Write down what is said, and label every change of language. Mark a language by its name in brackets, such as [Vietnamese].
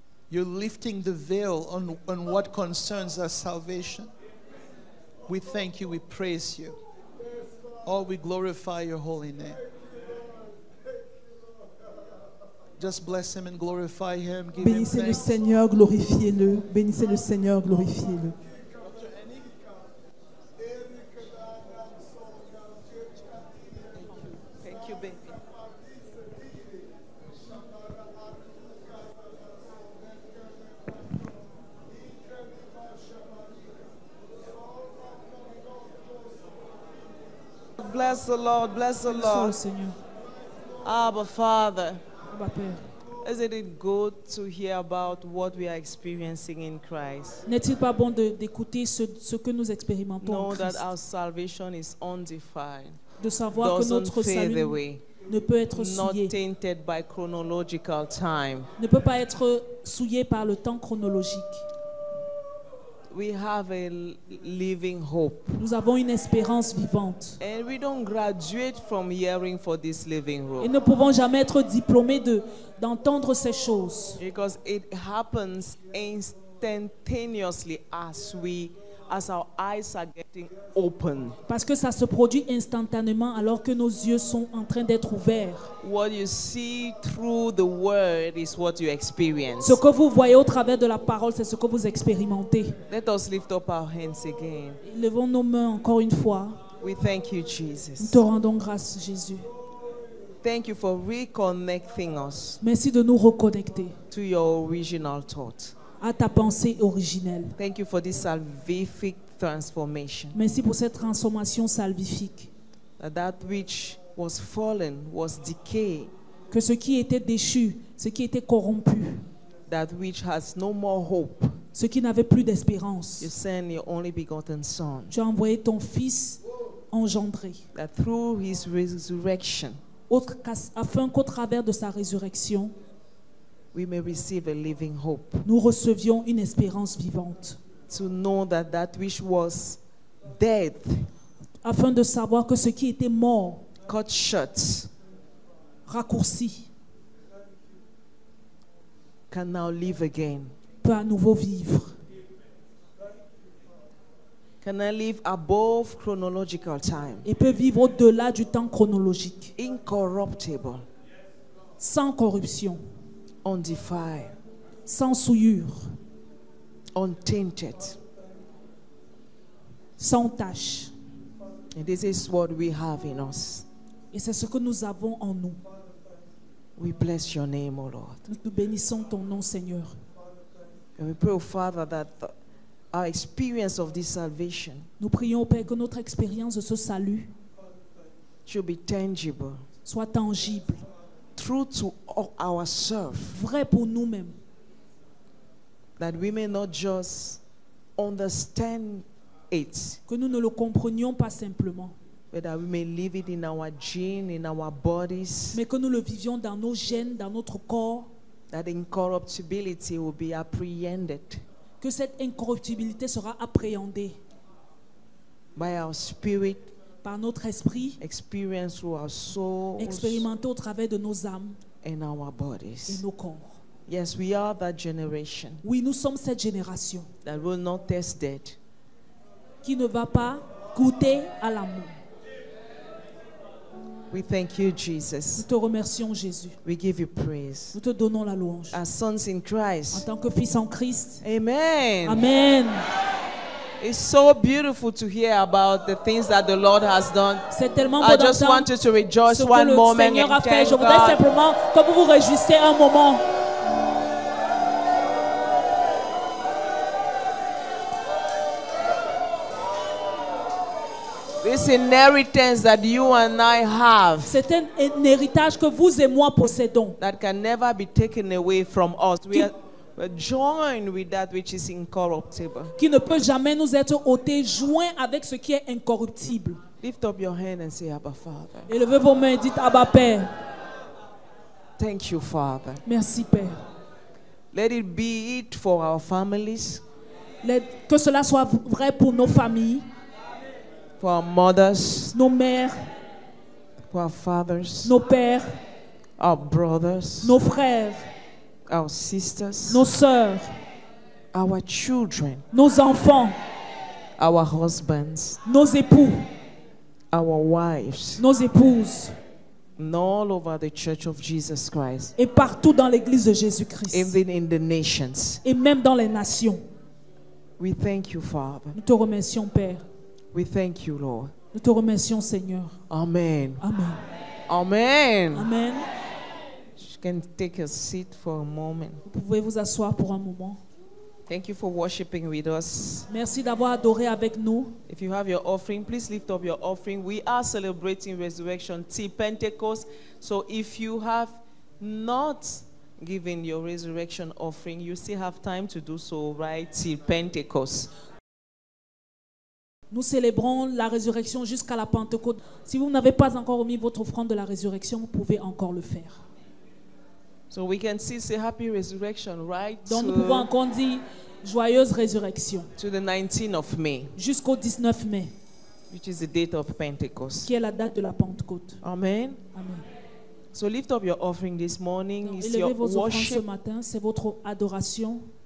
[English] You're lifting the veil on what concerns our salvation. We thank you, we praise you. Oh, we glorify your holy name. Just bless him and glorify him. Give [French] bénissez [English] him [French] le Seigneur, glorifiez-le. Bénissez le Seigneur, glorifiez-le. [English] Thank you, baby. Bless the Lord, bless the Lord. Abba, Father. Is it good to hear about what we are experiencing in Christ? [French] N'est-il pas bon d'écouter ce que nous expérimentons en Christ? [English] Know that our salvation is undefined. [French] De savoir que notre salut ne peut être souillé. [English] Not tainted by chronological time. [French] Ne peut pas être souillé par le temps chronologique. [English] We have a living hope. [French] Nous avons une espérance vivante. [English] And we don't graduate from hearing for this living hope. [French] Et nous ne pouvons jamais être diplômés d'entendre ces choses. [English] Because it happens instantaneously as our eyes are getting open. [French] Parce que ça se produit instantanément alors que nos yeux sont en train d'être ouverts. [English] What you see through the word is what you experience. [French] Ce que vous voyez au travers de la parole, c'est ce que vous expérimentez. [English] Let us lift up our hands again. [French] Levons nos mains encore une fois. [English] We thank you, Jesus. [French] Nous te rendons grâce, Jésus. [English] Thank you for reconnecting us. [French] Merci de nous reconnecter. [English] To your original thought. [French] À ta pensée originelle. [English] Thank you for this salvific transformation. [French] Merci pour cette transformation salvifique. [English] That which was fallen was decayed. [French] Que ce qui était déchu, ce qui était corrompu. [English] That which has no more hope. [French] Ce qui n'avait plus d'espérance. [English] You sent your only begotten son. [French] Tu as envoyé ton fils engendré. [English] That through his resurrection, [French] afin qu'au travers de sa résurrection, [English] we may receive a living hope. [French] Nous recevions une espérance vivante. [English] To know that that which was dead, [French] afin de savoir que ce qui était mort, [English] cut short, [French] raccourci, [English] can now live again. [French] Peut à nouveau vivre. [English] Can I live above chronological time? [French] Et peut vivre au-delà du temps chronologique. [English] Incorruptible. [French] Sans corruption. [English] Undefiled. [French] Sans souillure. [English] Untainted. [French] Sans tache. [English] And this is what we have in us. [French] Et c'est ce que nous avons en nous. [English] We bless your name, O Lord. [French] Nous bénissons ton nom, Seigneur. [English] And we pray, O Father, that our experience of this salvation, [French] nous prions, Père, que notre expérience de ce salut [English] should be tangible, [French] soit tangible, [English] true to ourselves, [French] vrai pour nous-mêmes, [English] that we may not just understand it, [French] que nous ne le comprenions pas simplement, [English] but that we may live it in our genes, in our bodies, [French] mais que nous le vivions dans nos gènes, dans notre corps, [English] that incorruptibility will be apprehended. [French] Que cette incorruptibilité sera appréhendée [English] by our spirit, [French] par notre esprit, [English] experience through our souls, [French] expérimenté au travers de nos âmes [English] and our bodies, [French] et nos corps. [English] Yes, we are that generation, [French] oui, nous sommes cette génération [English] that will not taste death, [French] qui ne va pas goûter à la mort. [English] We thank you, Jesus. [French] Nous te remercions, Jésus. [English] We give you praise. [French] Nous te donnons la louange. [English] As sons in Christ. [French] En tant que fils en Christ. [English] Amen. [French] Amen. [English] It's so beautiful to hear about the things that the Lord has done. [French] C'est tellement beau d'entendre. [English] I just want you to rejoice one moment and thank God. [French] Je voudrais simplement que vous vous réjouissiez un moment. [English] This inheritance that you and I have, [French] c'est un héritage que vous et moi possédons, [English] that can never be taken away from us. We're joined with that which is incorruptible. [French] Qui ne peut jamais nous être ôté, joint avec ce qui est incorruptible. [English] Lift up your hand and say, Abba Father. [French] Élevez vos mains et dites Abba Père. [English] Thank you, Father. [French] Merci Père. [English] Let it be it for our families. [French] Que cela soit vrai pour nos familles. [English] For our mothers, [French] nos mères, [English] for our fathers, [French] nos pères, [English] our brothers, [French] nos frères, [English] our sisters, [French] nos sœurs, [English] our children, [French] nos enfants, [English] our husbands, [French] nos époux, [English] our wives, [French] nos épouses, [English] and all over the Church of Jesus Christ, [French] et partout dans l'Église de Jésus-Christ, [English] even in the nations, [French] et même dans les nations. [English] We thank you, Father. [French] Nous te remercions, Père. [English] We thank you, Lord. [French] Nous te remercions, Seigneur. [English] Amen. [French] Amen. [English] Amen. [French] Amen. [English] You can take a seat for a moment. [French] Vous pouvez vous asseoir pour un moment. [English] Thank you for worshiping with us. [French] Merci d'avoir adoré avec nous. [English] If you have your offering, please lift up your offering. We are celebrating Resurrection Tea Pentecost. So if you have not given your resurrection offering, you still have time to do so right till Pentecost. [French] Nous célébrons la résurrection jusqu'à la Pentecôte. Si vous n'avez pas encore remis votre offrande de la résurrection, vous pouvez encore le faire. [English] So we can see, say happy resurrection, right? [French] Donc nous pouvons encore dire joyeuse résurrection. [English] To the 19th of May. [French] Jusqu'au 19 mai. [English] Which is the date of Pentecost. [French] Qui est la date de la Pentecôte. [English] Amen. [French] Amen. [English] So lift up your offering this morning. [French] Donc, élevez vos offrandes ce matin, c'est votre adoration.